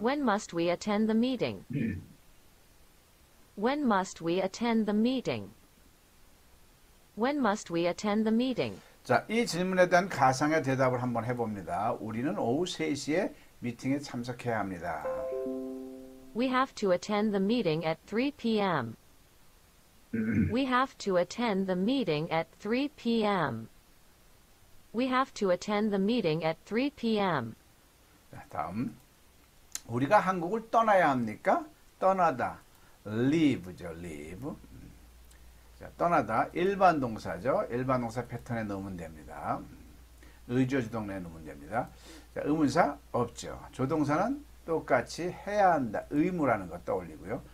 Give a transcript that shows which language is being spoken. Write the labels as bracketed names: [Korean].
[English] When must we attend the meeting? When must we attend the meeting? When must we attend the meeting? [Korean] 자, 이 질문에 대한 가상의 대답을 한번 해봅니다. 우리는 오후 3시에 미팅에 참석해야 합니다. [English] We have to attend the meeting at 3 p.m. We have to attend the meeting at 3 p.m. We have to attend the meeting at 3 p.m. [Korean] 다음, 우리가 한국을 떠나야 합니까? 떠나다, leave죠, leave. 자, 떠나다, 일반 동사죠. 일반 동사 패턴에 넣으면 됩니다. 의조지동사에 넣으면 됩니다. 자, 의문사 없죠. 조동사는 똑같이 해야 한다, 의무라는 것 떠올리고요.